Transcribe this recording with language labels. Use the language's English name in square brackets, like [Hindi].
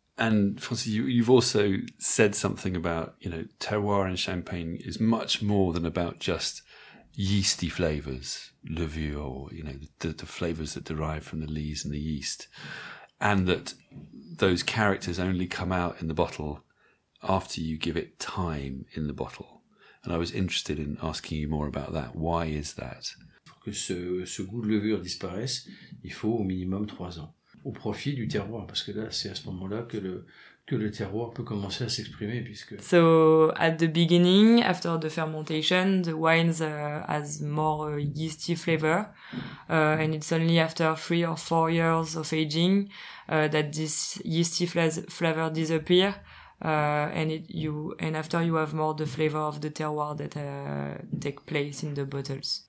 [English] And Francis, you've also said something about, you know, terroir and Champagne is much more than about just yeasty flavors, levure, or, you know, the flavors that derive from the lees and the yeast. And that those characters only come out in the bottle after you give it time in the bottle. And I was interested in asking you more about that. Why is that? [French] Pour que ce goût de levure disparaisse, il faut au minimum 3 ans. Au profit du terroir, parce que là, c'est à ce moment-là que le terroir peut commencer à s'exprimer, puisque... [English] So, at the beginning, after the fermentation, the wine has more yeasty flavor, and it's only after 3 or 4 years of aging that this yeasty flavor disappears, And after you have more the flavor of the terroir that take place in the bottles.